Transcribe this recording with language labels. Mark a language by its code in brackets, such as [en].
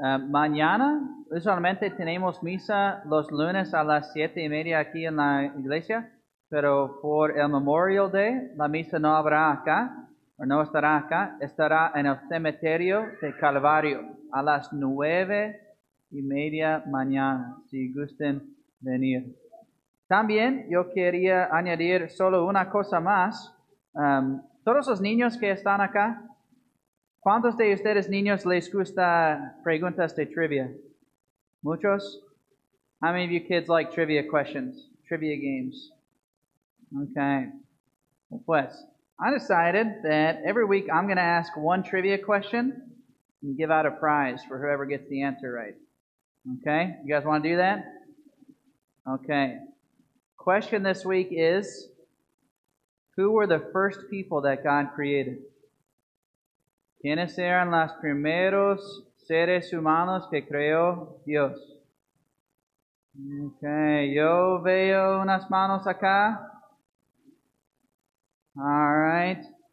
[es] Mañana, usualmente tenemos misa los lunes a las 7:30 aquí en la iglesia, pero por el Memorial Day, la misa no habrá acá, o no estará acá, estará en el cementerio de Calvario a las 9:30 mañana, si gusten venir. También yo quería añadir solo una cosa más. Todos los niños que están acá, ¿cuántos de ustedes niños les gusta preguntas de trivia? ¿Muchos? [en] How many of you kids like trivia questions, trivia games? Okay. Pues, I decided that every week I'm going to ask one trivia question and give out a prize for whoever gets the answer right. Okay, you guys want to do that? Okay. Question this week is, who were the first people that God created? [es] ¿Quiénes eran los primeros seres humanos que creó Dios? Okay, yo veo unas manos acá. [en] All right.